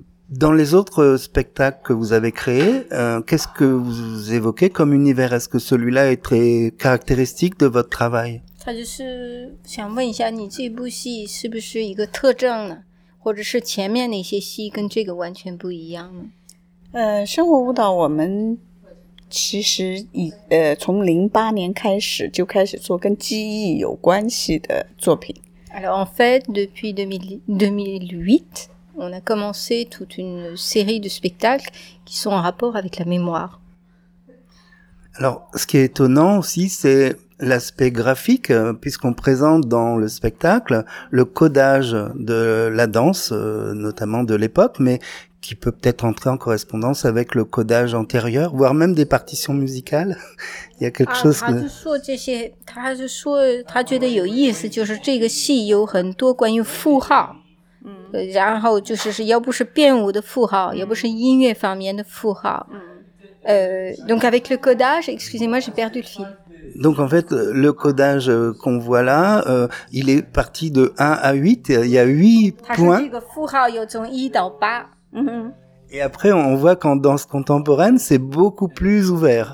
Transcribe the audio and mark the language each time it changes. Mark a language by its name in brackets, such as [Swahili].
[French] Dans les autres spectacles que vous avez créés, qu'est-ce que vous évoquez comme univers ? Est-ce que celui-là est très caractéristique de votre travail ? Je voulais demander si ce film est une caractéristique [Chinese] 或者是前面那些戏跟这个完全不一样呢？生活舞蹈我们其实从08年开始就开始做跟记忆有关系的作品。 [French] Alors, en fait, depuis 2008, on a commencé toute une série de spectacles qui sont en rapport avec la mémoire. Alors, ce qui est étonnant aussi, c'est l'aspect graphique, puisqu'on présente dans le spectacle le codage de la danse, notamment de l'époque, mais qui peut peut-être entrer en correspondance avec le codage antérieur, voire même des partitions musicales. Il y a quelque chose de... [Chinese] 他觉得有意思，就是这个戏有很多关于符号，然后就是要不是编舞的符号，要不是音乐方面的符号。 [French] Donc avec le codage, excusez-moi, j'ai perdu le fil. Donc en fait, le codage qu'on voit là, il est parti de 1 à 8, il y a 8 points. C'est ce que le fou-hao est de 1 à 8. Et après, on voit qu'en danse contemporaine, c'est beaucoup plus ouvert.